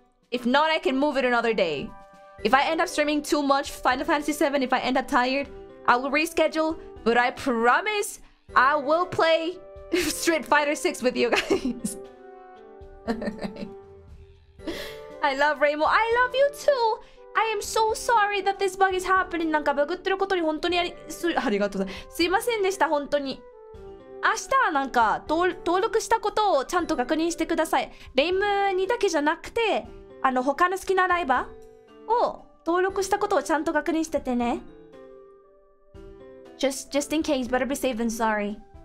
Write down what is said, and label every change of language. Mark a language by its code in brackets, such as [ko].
[en] If not, I can move it another day. If I end up streaming too much Final Fantasy VII, if I end up tired, I will reschedule. But I promise, I will play Street Fighter 6 with you guys. Alright. I love Reimu. I love you too. I am so sorry that this bug is happening. [ja] なんかバグってることに本当にありがとうございます。すいませんでした、本当に。明日はなんか登録したことをちゃんと確認してください。 Reimuにだけじゃなくて、あの他の好きなライバーを登録したことをちゃんと確認しててね。 [en] Just in case, better be safe than sorry.